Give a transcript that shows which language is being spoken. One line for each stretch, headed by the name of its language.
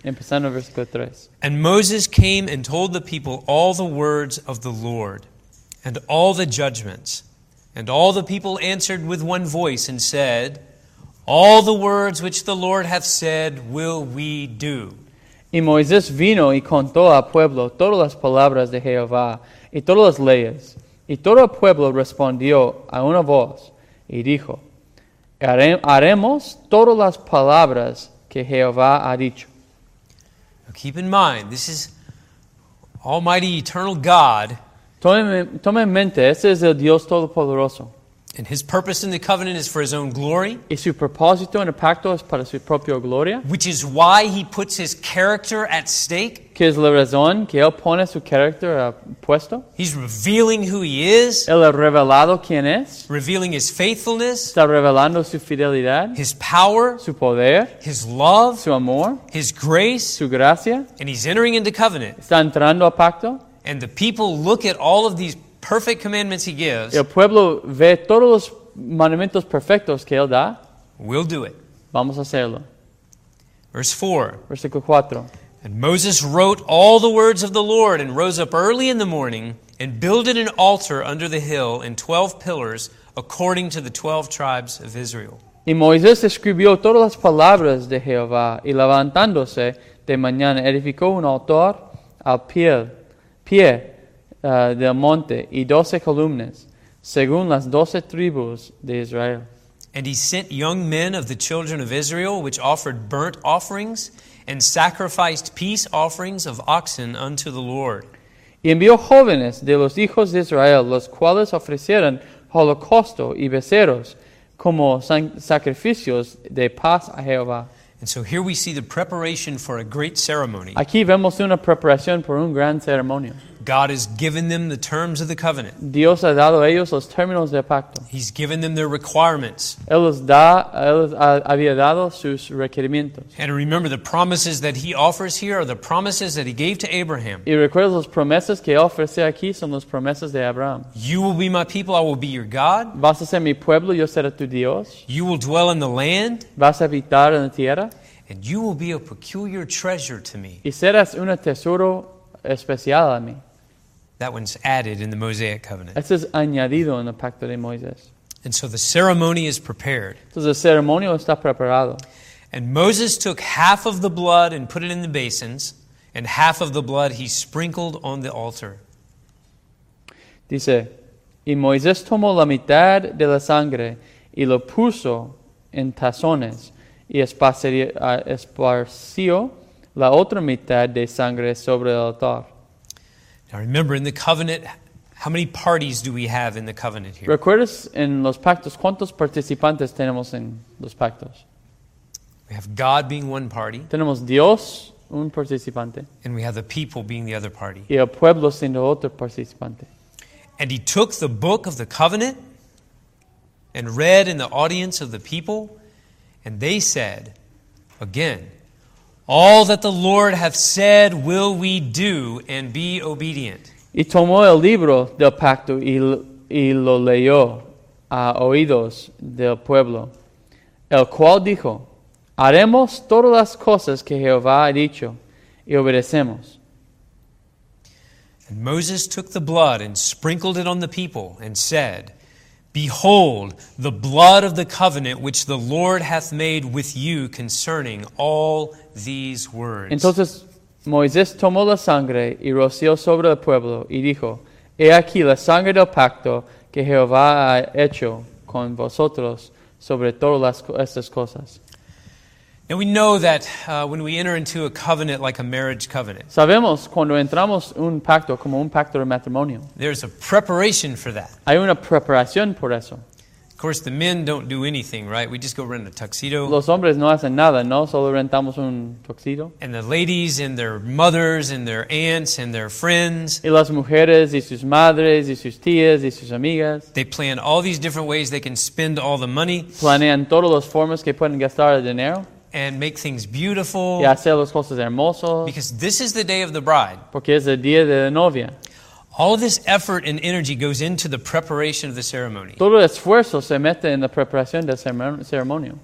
Spanish: Empezando en versículo 3.
English: And Moses came and told the people all the words of the Lord and all the judgments. And all the people answered with one voice and said, all the words which the Lord hath said will we do.
Spanish: Y Moisés vino y contó al pueblo todas las palabras de Jehová y todas las leyes. Y todo el pueblo respondió a una voz y dijo, haremos todas las palabras que Jehová ha dicho.
English: Now keep in mind, this is Almighty Eternal God.
Spanish: Tome en mente, este es el Dios Todopoderoso.
English: And his purpose in the covenant is for his own glory.
Spanish: Y su propósito en el pacto es para su propia gloria.
English: Which is why he puts his character at stake.
Spanish: Que es la razón que él pone su carácter puesto.
English: He's revealing who he is.
Spanish: Él ha revelado quién es.
English: Revealing his faithfulness.
Spanish: Está revelando su fidelidad.
English: His power.
Spanish: Su poder.
English: His love.
Spanish: Su amor.
English: His grace.
Spanish: Su gracia.
English: And he's entering into covenant.
Spanish: Está entrando a pacto.
English: And the people look at all of these perfect commandments he gives.
Spanish: El pueblo ve todos los mandamientos perfectos que él da.
English: We'll do it.
Spanish: Vamos a hacerlo.
English: Verse 4.
Spanish: Versículo 4.
English: And Moses wrote all the words of the Lord and rose up early in the morning and builded an altar under the hill and 12 pillars according to the 12 tribes of Israel.
Spanish: Y Moisés escribió todas las palabras de Jehová y levantándose de mañana edificó un altar al pie del monte y 12 columnas según las 12 tribus de Israel.
English: And he sent young men of the children of Israel which offered burnt offerings and sacrificed peace offerings of oxen unto the Lord.
Spanish: Y envió jóvenes de los hijos de Israel, los cuales ofrecieron holocausto y becerros como sacrificios de paz a Jehová.
English: And so here we see the preparation for a great ceremony.
Spanish: Aquí vemos una preparación por un gran ceremonio.
English: God has given them the terms of the covenant.
Spanish: Dios ha dado a ellos los términos del pacto.
English: He's given them their requirements.
Spanish: Él había dado sus requerimientos.
English: And remember, the promises that he offers here are the promises that he gave to Abraham.
Spanish: Y recuerda, las promesas que él ofrece aquí son las promesas de Abraham.
English: You will be my people, I will be your God.
Spanish: Vas a ser mi pueblo, yo seré tu Dios.
English: You will dwell in the land.
Spanish: Vas a habitar en la tierra.
English: And you will be a peculiar treasure to me.
Spanish: Y serás un tesoro especial a mí.
English: That one's added in the Mosaic covenant.
Spanish: Eso es añadido en el pacto de Moisés.
English: And so the ceremony is prepared.
Spanish: Entonces el ceremonio está preparado.
English: And Moses took half of the blood and put it in the basins, and half of the blood he sprinkled on the altar.
Spanish: Dice, y Moisés tomó la mitad de la sangre y lo puso en tazones y esparció la otra mitad de sangre sobre el altar.
English: Now remember, in the covenant, how many parties do we have in the covenant here?
Spanish: ¿Recuerdas en los pactos cuántos participantes tenemos en los pactos?
English: We have God being one party.
Spanish: Tenemos Dios, un participante.
English: And we have the people being the other party.
Spanish: Y el pueblo siendo otro participante.
English: And he took the book of the covenant and read in the audience of the people, and they said, again, all that the Lord hath said will we do and be obedient.
Spanish: Y tomó el libro del pacto y lo leyó a oídos del pueblo, el cual dijo, haremos todas las cosas que Jehová ha dicho y obedecemos.
English: And Moses took the blood and sprinkled it on the people and said, behold, the blood of the covenant which the Lord hath made with you concerning all these words.
Spanish: Entonces Moisés tomó la sangre y roció sobre el pueblo y dijo, he aquí la sangre del pacto que Jehová ha hecho con vosotros sobre todas las, estas cosas.
English: And we know that when we enter into a covenant like a marriage covenant,
Spanish: sabemos cuando entramos un pacto como un pacto de matrimonio,
English: there's a preparation for that.
Spanish: Hay una preparación por eso.
English: Of course, the men don't do anything, right? We just go rent a tuxedo.
Spanish: Los hombres no hacen nada, ¿no? Solo rentamos un tuxedo.
English: And the ladies and their mothers and their aunts and their friends.
Spanish: Y las mujeres y sus madres y sus tías y sus amigas.
English: They plan all these different ways they can spend all the money.
Spanish: Planean todas las formas que pueden gastar el dinero.
English: And make things beautiful.
Spanish: Y hacer las cosas hermosas.
English: Because this is the day of the bride.
Spanish: Porque es el día de la novia.
English: All this effort and energy goes into the preparation of the ceremony.
Spanish: Todo el esfuerzo se mete en la preparación del ceremonio.